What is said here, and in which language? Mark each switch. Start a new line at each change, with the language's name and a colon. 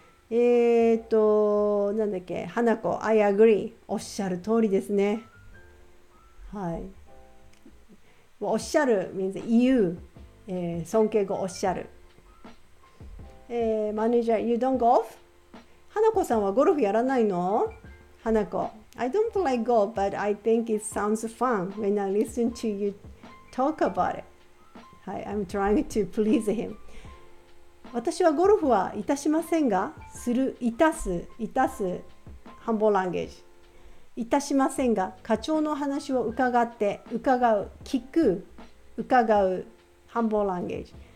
Japanese: なんだっけ、花子、
English: I agree.
Japanese: おっしゃる通りですね。はい。
English: おっしゃる means you. 尊敬語、おっしゃる。マネージャー、You don't golf?
Japanese: 花子さんはゴルフやらないの？
English: 花子、I don't play golf, but I think it sounds fun when I listen to you talk about it. はい、 I'm trying to please him.
Japanese: 私はゴルフはいたしませんが、する、いたす、ハンボーランゲージ。いたしませんが、課長の話を伺って、伺う、聞く、伺う、ハンボーランゲージ。